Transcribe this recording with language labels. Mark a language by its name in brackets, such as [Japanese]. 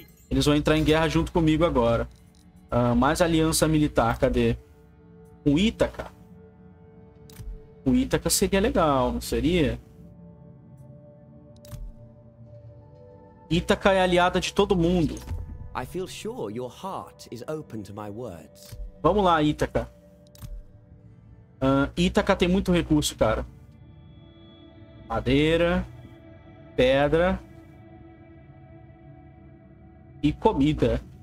[Portuguese] Eles vão entrar em guerra junto comigo agora. Mais aliança militar, cadê? Com Ítaca? Com Ítaca seria legal, não seria? Ítaca é aliada de todo mundo. [English] I feel sure your heart is open to my words. [Portuguese] Vamos lá, Ítaca. Ítaca tem muito recurso, cara. Madeira. Pedra. E comida.